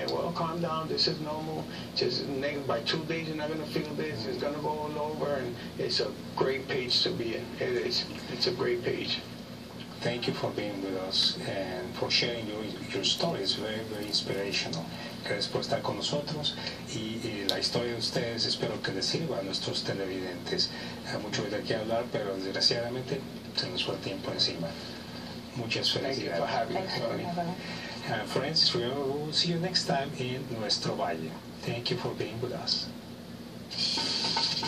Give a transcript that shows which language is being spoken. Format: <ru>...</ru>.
<en>And, well, calm down, this is normal. Just by 2 days, you're not going to feel this. It's going to go all over, and it's a great page to be in. It is. It's a great page. Thank you for being with us and for sharing your story. It's very, very inspirational.</en> <es>Gracias por estar con nosotros. Y la historia de ustedes, espero que les sirva a nuestros televidentes. Hay mucho de aquí hablar, pero desgraciadamente se nos fue el tiempo encima. Muchas felicidades.</es> <en>Friends, we'll see you next time in Nuestro Valle. Thank you for being with us.</en>